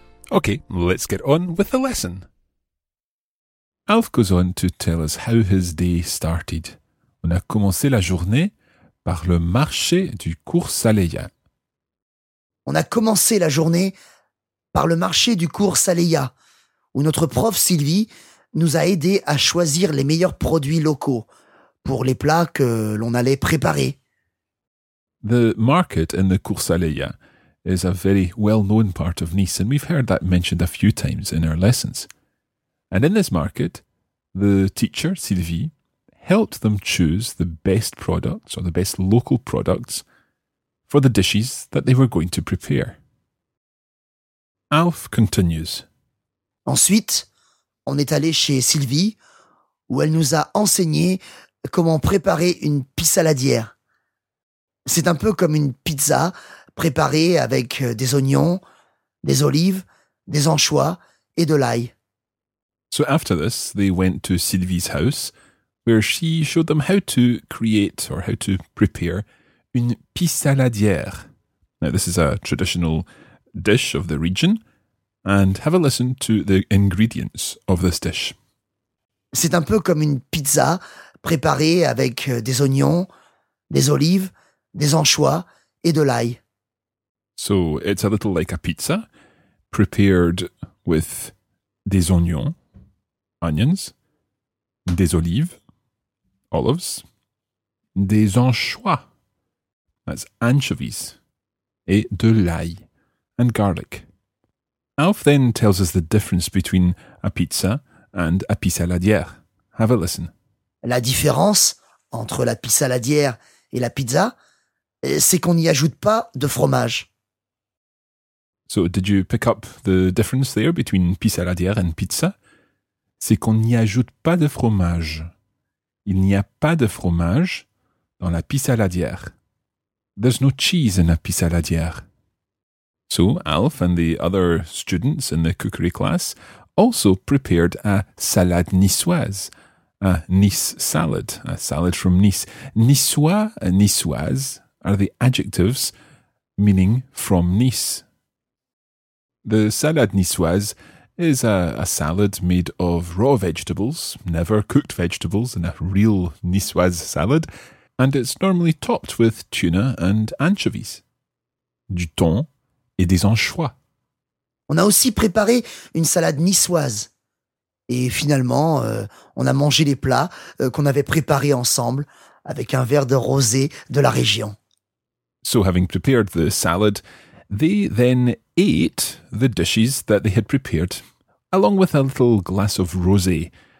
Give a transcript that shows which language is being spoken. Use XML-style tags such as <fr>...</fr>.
<en>Okay, let's get on with the lesson. Alf goes on to tell us how his day started.</en> <fr>On a commencé la journée par le marché du cours Saleya. On a commencé la journée par le marché du cours Saleya, où notre prof Sylvie nous a aidés à choisir les meilleurs produits locaux pour les plats que l'on allait préparer.</fr> <en>The market in the cours Saleya is a very well-known part of Nice, and we've heard that mentioned a few times in our lessons. And in this market, the teacher, Sylvie, helped them choose the best products, or the best local products, for the dishes that they were going to prepare. Alf continues.</en> <fr>Ensuite, on est allé chez Sylvie, où elle nous a enseigné comment préparer une pissaladière. C'est un peu comme une pizza préparée avec des oignons, des olives, des anchois et de l'ail.</fr> <en>So after this, they went to Sylvie's house, where she showed them how to create or how to prepare une pissaladière. Now, this is a traditional dish of the region, and have a listen to the ingredients of this dish.</en> <fr>C'est un peu comme une pizza préparée avec des oignons, des olives, des anchois et de l'ail.</fr> <en>So, it's a little like a pizza prepared with</en> <fr>des oignons,</fr> <en>onions,</en> <fr>des olives,</fr> <en>olives,</en> <fr>des anchois,</fr> <en>that's anchovies,</en> <fr>et de l'ail,</fr> <en>and garlic. Alf then tells us the difference between a pizza and a pissaladière. Have a listen.</en> <fr>La différence entre la pissaladière et la pizza, c'est qu'on n'y ajoute pas de fromage.</fr> <en>So, did you pick up the difference there between pissaladière and pizza?</en> <fr>C'est qu'on n'y ajoute pas de fromage. Il n'y a pas de fromage dans la pissaladière.</fr> <en>There's no cheese in a pissaladière. So, Alf and the other students in the cookery class also prepared a salade niçoise, a Nice salad, a salad from Nice. Niçois and niçoise are the adjectives meaning from Nice. The salade niçoise is a salad made of raw vegetables, never cooked vegetables in a real niçoise salad, and it's normally topped with tuna and anchovies,</en> <fr>du thon et des anchois. On a aussi préparé une salade niçoise. Et finalement, on a mangé les plats qu'on avait préparés ensemble avec un verre de rosé de la région.</fr> <en>So having prepared the salad, they then ate the dishes that they had prepared, along with a little glass of rosé.</en>